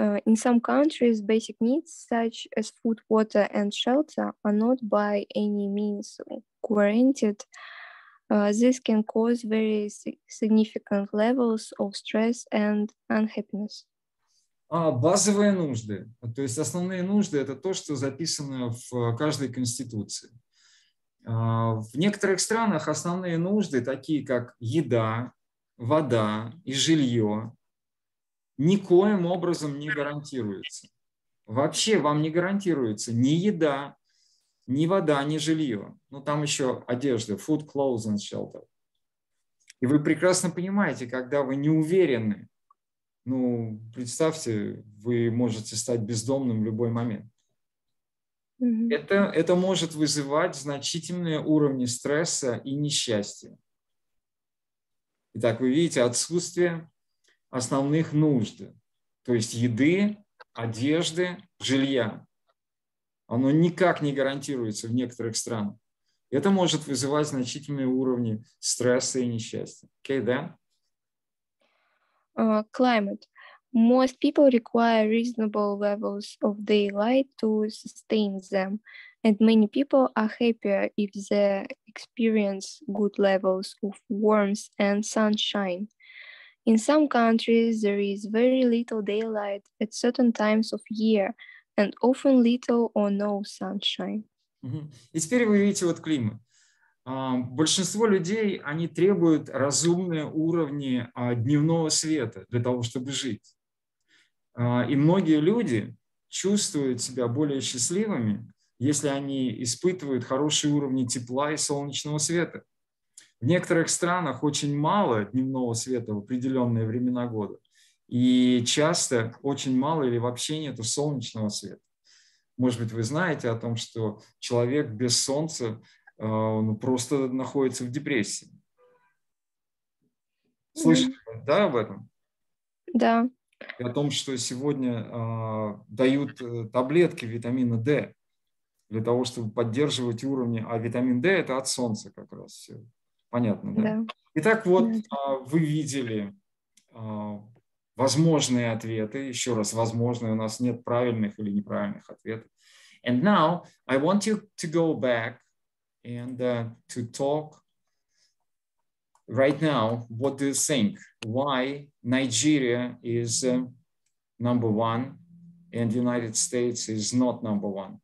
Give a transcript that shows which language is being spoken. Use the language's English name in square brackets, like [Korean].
[English] In some countries, basic needs, such as food, water and shelter, are not by any means guaranteed. This can cause very significant levels of stress and unhappiness. [Russian] Базовые нужды. То есть основные нужды – это то, что записано в каждой конституции. В некоторых странах основные нужды, такие как еда, вода и жилье, никоим образом не гарантируется. Вообще вам не гарантируется ни еда, ни вода, ни жилье. Ну, там еще одежда, [English] food, clothes and shelter. [Russian] И вы прекрасно понимаете, когда вы не уверены, ну, представьте, вы можете стать бездомным в любой момент. Mm-hmm. Это может вызывать значительные уровни стресса и несчастья. Итак, вы видите отсутствие основных нужд, то есть еды, одежды, жилья. Оно никак не гарантируется в некоторых странах. Это может вызывать значительные уровни стресса и несчастья. Окей, да? [English] Climate. Most people require reasonable levels of daylight to sustain them. And many people are happier if they experience good levels of warmth and sunshine. In some countries, there is very little daylight at certain times of year and often little or no sunshine. [Russian] И теперь вы видите вот климат. Большинство людей, они требуют разумные уровни дневного света для того, чтобы жить. И многие люди чувствуют себя более счастливыми, если они испытывают хорошие уровни тепла и солнечного света. В некоторых странах очень мало дневного света в определенные времена года. И часто очень мало или вообще нету солнечного света. Может быть, вы знаете о том, что человек без солнца он просто находится в депрессии. Слышали, mm-hmm. да, об этом? Да. И о том, что сегодня дают таблетки витамина D для того, чтобы поддерживать уровни. А витамин D – это от солнца как раз все. Понятно, да? Да. Итак, вот вы видели возможные ответы. Еще раз, возможные. У нас нет правильных или неправильных ответов. [English] And now I want you to go back and to talk right now. What do you think? Why Nigeria is number one and United States is not number one?